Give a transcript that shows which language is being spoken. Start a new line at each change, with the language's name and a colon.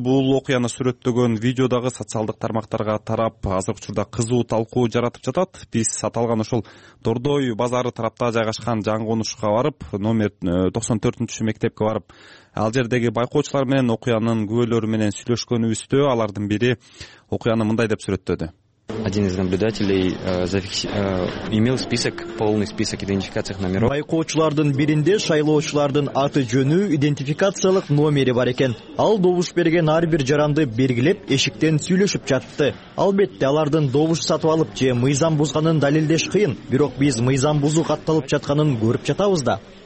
Kyrgyz: Бул окуяны сүрөттөгөн видео дагы социалдык тармактарга тарап, азыркы учурда кызуу талкуу жаратып жатат. Биз аталган ушул Дордой базары тарапта жайгашкан Жаңгонушка барып, номер 94-чү мектепке барып, ал жердеги байкоочулар менен окуянын күбөлөрү менен сүйлөшкөнүбүздө алардын бири окуяны мындай деп сүрөттөдү.
Russian: Один из наблюдателей имел список, полный список идентификационных номеров.
Kyrgyz: Байкоочулардын биринде шайлоочулардын аты жөнү идентификациялык номери бар экен. Ал добуш берген ар бир жаранды белгилеп эшиктен сүйлөшүп жатты. Албетте алардын добуш сатып алып же мыйзам бузганын далилдеш кыйын, бирок биз мыйзам бузуу катталып жатканын көрүп жатабыз да.